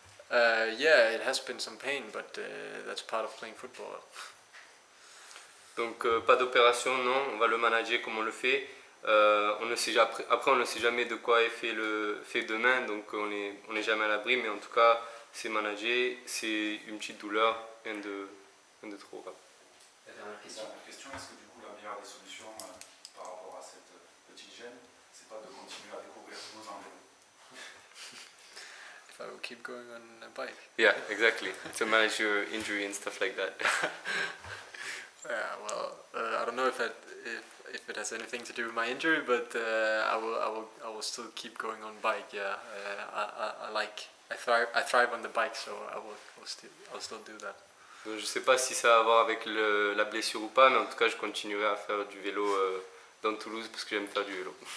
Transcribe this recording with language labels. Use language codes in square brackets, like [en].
[en] Yeah, it has been some pain, but that's part of playing football. [fr] Donc pas d'opération, non, on va le manager comme on le fait. On ne sait jamais de quoi est fait demain, donc on est jamais à l'abri, mais en tout cas, c'est managé, c'est une petite douleur, rien de trop grave. La dernière question, est-ce que du coup la meilleure des solutions par rapport à cette petite gêne, c'est pas de continuer à découvrir vos [en] enjeux? If I will keep going on a bike. Yeah, exactly, to manage your injury and stuff like that. Yeah, well, I don't know if it has anything to do with my injury, but I will still keep going on bike. Yeah, I thrive on the bike, so I'll still do that. [fr] Donc, je sais pas si ça a à voir avec la blessure ou pas, mais en tout cas, je continuerai à faire du vélo dans Toulouse parce que j'aime faire du vélo.